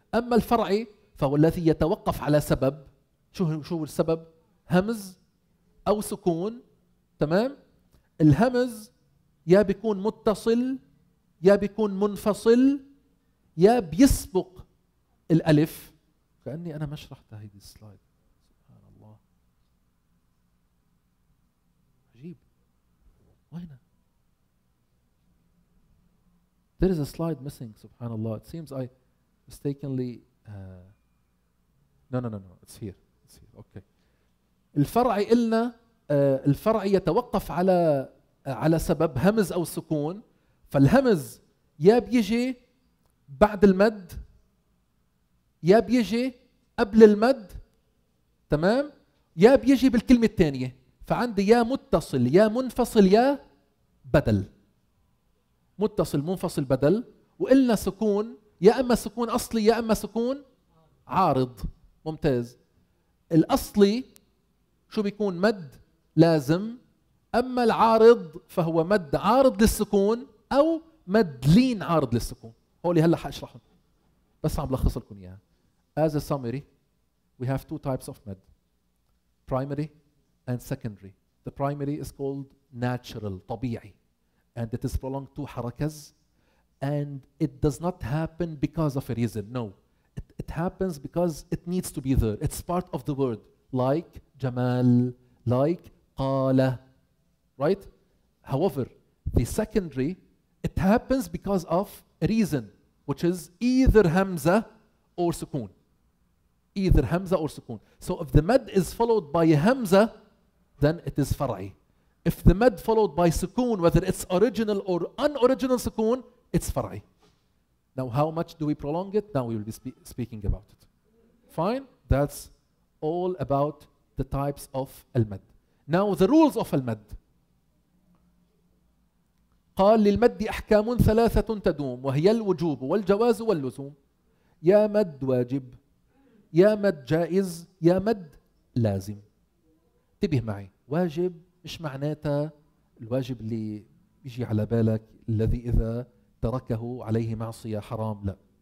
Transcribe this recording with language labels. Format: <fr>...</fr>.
<ar>أما الفرعي فهو الذي يتوقف على سبب، شو السبب؟ همز أو سكون، تمام؟ الهمز يا بيكون متصل يا بيكون منفصل يا بيسبق الألف. كأني أنا ما شرحت هذه السلايد، سبحان الله عجيب.</ar> <en>وهنا there is a slide missing،</en> <ar>سبحان الله</ar> <en>it seems I mistakenly no it's here it's here okay.</en> <ar>الفرعي قلنا الفرعي يتوقف على سبب همز أو سكون، فالهمز يا بيجي بعد المد يا بيجي قبل المد، تمام، يا بيجي بالكلمة الثانية، فعندي يا متصل يا منفصل يا بدل، متصل منفصل بدل. وقلنا سكون يا أما سكون أصلي يا أما سكون عارض، ممتاز. الأصلي شو بيكون؟ مد لازم، أما العارض فهو مد عارض للسكون أو مد لين عارض للسكون. هولي هلا حاشرحهم بس عم بلخص لكم اياها.</ar> <en>As a summary, we have two types of mad, primary and secondary. The primary is called natural, طبيعي, and it is prolonged to حركز, and it does not happen because of a reason. No, it happens because it needs to be there. It's part of the word, like جمال, like قال, right? However, the secondary, it happens because of a reason, which is either Hamza or Sukun. Either Hamza or Sukun. So if the Mad is followed by a Hamza, then it is Far'i. If the Mad followed by Sukun, whether it's original or unoriginal Sukun, it's Far'i. Now how much do we prolong it? Now we will be speaking about it. Fine? That's all about the types of Al-Mad. Now the rules of Al-Mad.</en> <ar>قال للمد أحكام ثلاثة تدوم وهي الوجوب والجواز واللزوم. يا مد واجب، يا مد جائز، يا مد لازم. انتبه معي، واجب مش معناتها الواجب اللي بيجي على بالك الذي إذا تركه عليه معصية حرام، لا.</ar>